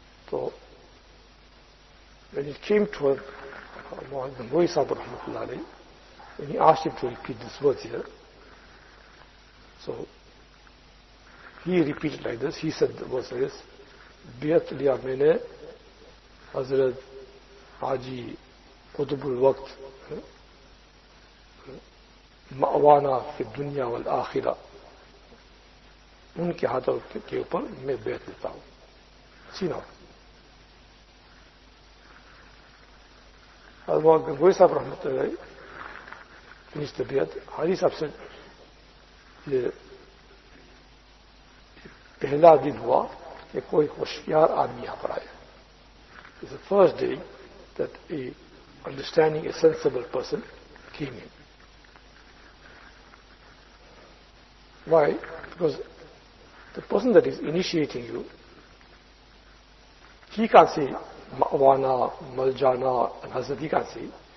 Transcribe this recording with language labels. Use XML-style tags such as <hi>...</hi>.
<en>So when it came to the Ghanoui Sahib Rahmatullah Alayhi, when he asked him to repeat these words here, so he repeated like this. He said the verse like this.</en> <ur>بیعت لیا میں نے حضرت حاجی قطب الوقت مأوانا فی الدنیا والآخرہ ان کے ہاتھوں کے اوپر میں بیعت لیتا ہوں.</ur> <en>See now.</en> <ur>حضرت گنگوئی صاحب رحمت اللہ</ur> <en>finished the</en> <ur>بیعت. حاجی صاحب سے یہ پہلا دن ہوا کہ کوئی ہوشیار آدمی یہاں پر آیا.</ur> <en>It's the first day that a understanding, a sensible person came in. Why? Because the person that is initiating you, he can't say ma'wana, maljana, and hazard, he can't say.</en>